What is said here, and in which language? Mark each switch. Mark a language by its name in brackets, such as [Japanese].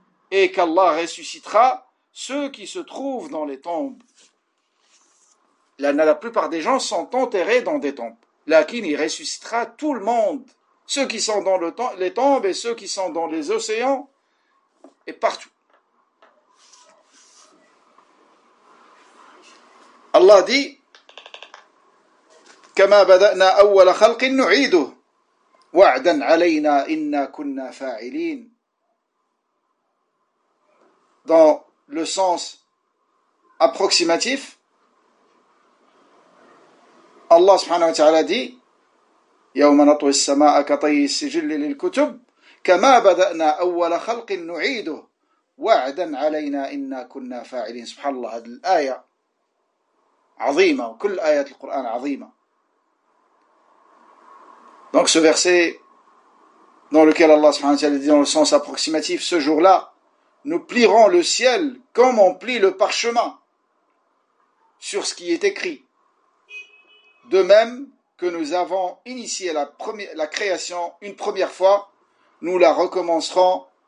[French] Et qu'Allah ressuscitera ceux qui se trouvent dans les tombes. La plupart des gens sont enterrés dans des tombes. Lakin, il ressuscitera tout le monde. Ceux qui sont dans les tombes et ceux qui sont dans les océans et partout. Allah dit [Arabic] كما بدأنا أول خلق نعيده وعدا علينا إنا كنا فاعلين. [French] Dans le sens approximatif, Allah subhanahu wa ta'ala dit [Arabic] يوم نطوي السماء كطي السجل للكتب كما بدأنا أول خلق نعيده وعدا علينا إنا كنا فاعلين. سبحان الله, هذه الآية عظيمة وكل آيات القرآن عظيمة. [French] Donc ce verset dans lequel Allah subhanahu wa ta'ala dit dans le sens approximatif, ce jour-là, nous plierons le ciel comme on plie le parchemin sur ce qui est écrit. De même que nous avons initié la création une première fois, nous la recommencerons.